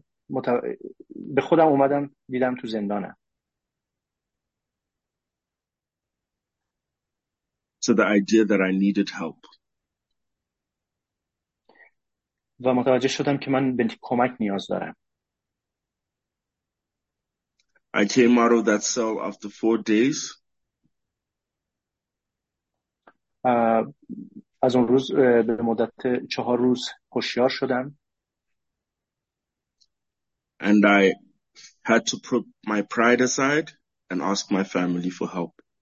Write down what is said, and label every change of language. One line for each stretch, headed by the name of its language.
Persian: و به خودم اومدم دیدم تو زندانم.
English: So the idea that I needed help.
Persian: و متوجه شدم که من به کمک نیاز دارم.
English: I came out of that cell after 4 days.
Persian: از اون روز به مدت 4 روز هوشیار شدم.
English: And I had to put my pride aside and ask my family for help.